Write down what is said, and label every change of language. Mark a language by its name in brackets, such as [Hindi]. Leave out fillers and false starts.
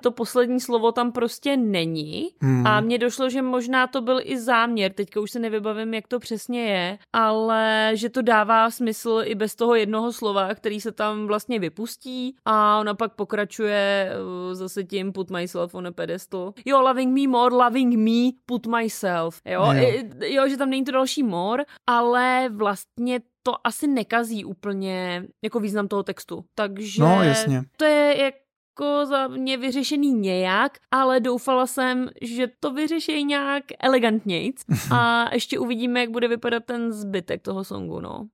[Czech] To poslední slovo tam prostě není. A mně došlo, že možná to byl i záměr, teďka už se nevybavím, jak to přesně je, ale že to dává smysl i bez toho jednoho slova, který se tam vlastně vypustí a ona pak pokračuje zase tím [English] put myself on a pedestal. Jo, loving me more, loving me, put myself. [Czech] Jo, jo, že tam není to další more, ale vlastně to asi nekazí úplně jako význam toho textu. Takže no, jasně. To je jako za mě vyřešený nějak, ale doufala jsem, že to vyřeší nějak elegantnějc a ještě uvidíme, jak bude vypadat ten zbytek toho songu, no.